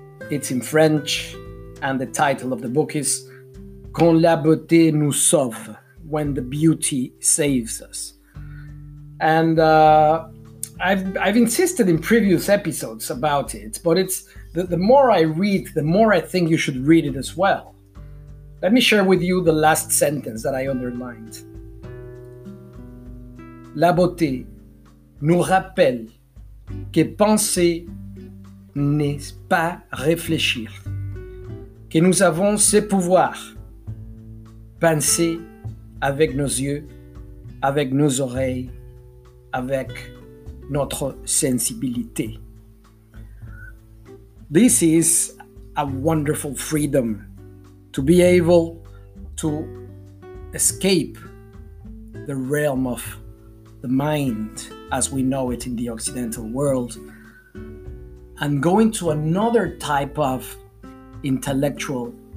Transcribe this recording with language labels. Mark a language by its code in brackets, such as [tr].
[en] It's in French, and the title of the book is Quand la beauté nous sauve, when the beauty saves us. And I've insisted in previous episodes about it, but it's the more I read, the more I think you should read it as well. Let me share with you the last sentence that I underlined. [fr] La beauté nous rappelle que penser n'est pas réfléchir, que nous avons ce pouvoir, penser avec nos yeux, avec nos oreilles, avec notre sensibilité. [en] This is a wonderful freedom to be able to escape the realm of the mind as we know it in the Occidental world, and going to another type of intellectual